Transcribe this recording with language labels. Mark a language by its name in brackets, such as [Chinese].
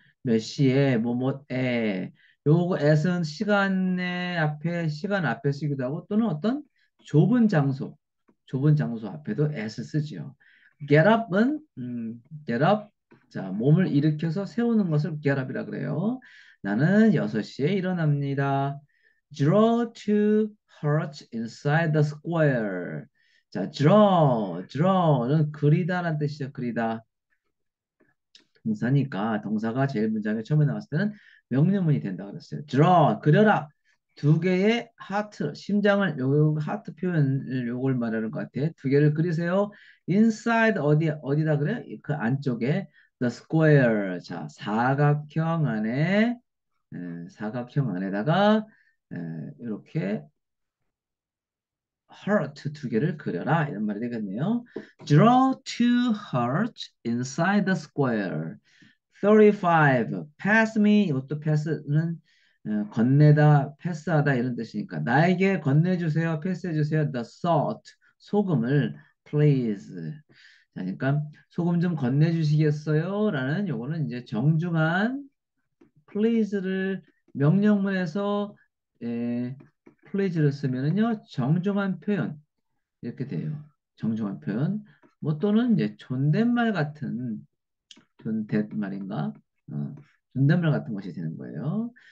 [Korean] 몇 시에, 뭐뭐에. 요거 at은 시간에 앞에, 시간 앞에 쓰기도 하고 또는 어떤 좁은 장소 앞에도 at을 쓰지요. [English] get up은 get up. [Korean] 자, 몸을 일으켜서 세우는 것을 get up이라 그래요. 나는 6시에 일어납니다. [English] Draw two hearts inside the square. [Korean] 자, draw는 그리다라는 뜻이죠. 그리다. 동사니까 동사가 제일 문장의 처음에 나왔을 때는 명령문이 된다고 그랬어요. Draw, 그려라. 두 개의 하트, 심장을 요 하트 표현을 요걸 말하는 것 같아. 두 개를 그리세요. Inside 어디다 그래? 그 안쪽에 [English] the square. [Korean] 자, 사각형 안에. 사각형 안에다가 이렇게 heart 두 개를 그려라 이런 말이 되겠네요. [English] Draw two hearts inside the square. 35. Pass me. [Korean] 이것도 pass는 건네다, 패스하다 이런 뜻이니까 나에게 건네주세요, 패스해주세요. [English] The salt [Korean] 소금을 [English] please. [Korean] 자, 그러니까 소금 좀 건네주시겠어요?라는 요거는 이제 정중한 please를 명령문에서 please를 쓰면은요 정중한 표현 이렇게 돼요. 정중한 표현 뭐 또는 이제 존댓말 같은 존댓말인가 존댓말 같은 것이 되는 거예요.